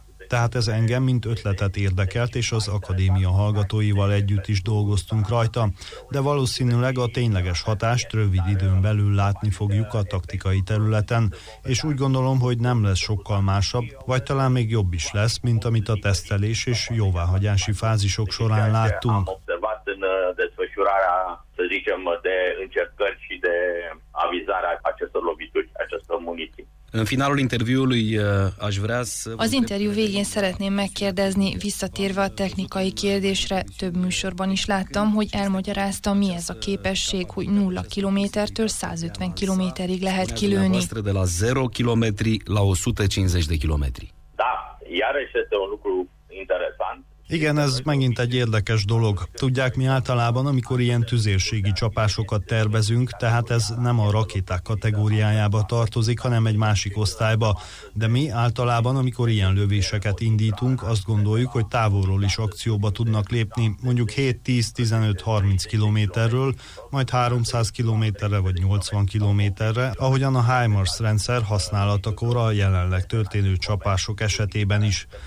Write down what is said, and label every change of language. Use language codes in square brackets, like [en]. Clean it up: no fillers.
[hu] Tehát ez engem mint ötletet érdekelt, és az akadémia hallgatóival együtt is dolgoztunk rajta, de valószínűleg a tényleges hatást rövid időn belül látni fogjuk a taktikai területen, és úgy gondolom, hogy nem lesz sokkal másabb, vagy talán még jobb is lesz, mint amit a tesztelés és jóváhagyási fázisok során láttunk. [ro] Am observat în desfășurarea, să zicem, de încercări și de avizarea acestor lovituri, acestor muniții. În finalul interviului aș vrea să... [hu] Az interjú végén szeretném megkérdezni, visszatérve a technikai kérdésre, több műsorban is láttam, hogy elmagyarázta, mi ez a képesség, hogy 0 kilométertől 150 kilométerig lehet kilőni. [ro] De la 0 kilometri la 150 de kilometri. Da, iarăși este un lucru interesant. [hu] Igen, ez megint egy érdekes dolog. Tudják, mi általában, amikor ilyen tüzérségi csapásokat tervezünk, tehát ez nem a rakéták kategóriájába tartozik, hanem egy másik osztályba. De mi általában, amikor ilyen lövéseket indítunk, azt gondoljuk, hogy távolról is akcióba tudnak lépni, mondjuk 7-10-15-30 kilométerről, majd 300 kilométerre vagy 80 kilométerre, ahogyan a HIMARS rendszer használatakor a jelenleg történő csapások esetében is.